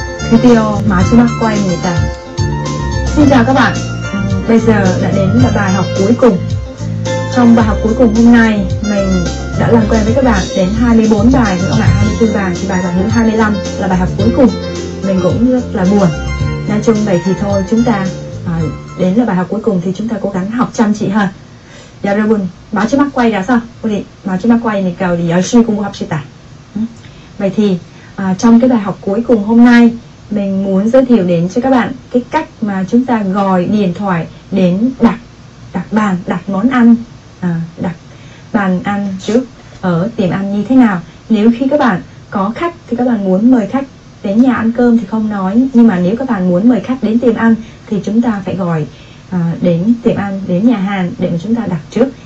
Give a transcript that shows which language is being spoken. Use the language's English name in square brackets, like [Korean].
[Korean] 드디어 마지막 과입니다. [Vietnamese] Xin chào các bạn. Bây giờ đã đến là bài học cuối cùng. Trong bài học cuối cùng hôm nay mình đã làm quen với các bạn đến 24 bài nữa, các bạn 24 bài thì bài thứ 25 là bài học cuối cùng. Mình cũng rất là buồn. Nói chung vậy thì thôi, chúng ta đến là bài học cuối cùng thì chúng ta cố gắng học chăm chỉ hơn. [Korean] 여러분 마지막 과이라서 우리 마지막 과이니까 우리 열심히 공부합시다. [Vietnamese] Vậy thì trong cái bài học cuối cùng hôm nay mình muốn giới thiệu đến cho các bạn cái cách mà chúng ta gọi điện thoại đến đặt bàn, đặt món ăn, đặt bàn ăn trước ở tiệm ăn như thế nào. Nếu khi các bạn có khách thì các bạn muốn mời khách đến nhà ăn cơm thì không nói, nhưng mà nếu các bạn muốn mời khách đến tiệm ăn thì chúng ta phải gọi đến tiệm ăn, đến nhà hàng để mà chúng ta đặt trước.